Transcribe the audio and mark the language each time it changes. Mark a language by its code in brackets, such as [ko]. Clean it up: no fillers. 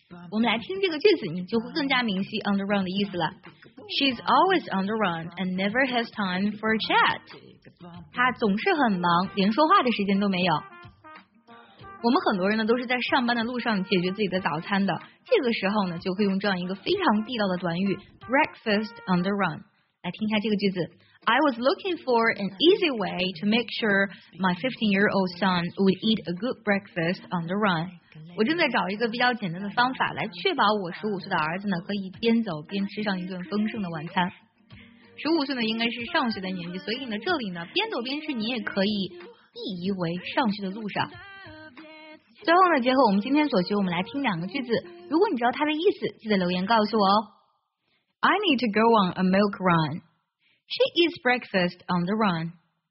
[zh] 我们来听这个句子，你就会更加明晰 on the run 的意思了。 [en] She's always on the run and never has time for a chat. [zh] 她总是很忙，连说话的时间都没有。我们很多人呢都是在上班的路上解决自己的早餐的，这个时候呢就会用这样一个非常地道的短语 [en] breakfast on the run。 [zh] 来听一下这个句子。 [en] I was looking for an easy way to make sure my 15-year-old son would eat a good breakfast on the run。 [zh] 我正在找一个比较简单的方法来确保我15岁的儿子呢可以边走边吃上一顿丰盛的晚餐。 15岁呢应该是上学的年纪，所以呢这里呢边走边吃你也可以意译为上学的路上。最后呢结合我们今天所学，我们来听两个句子，如果你知道它的意思记得留言告诉我哦。 [en] I need to go on a milk run. She eats breakfast on the run.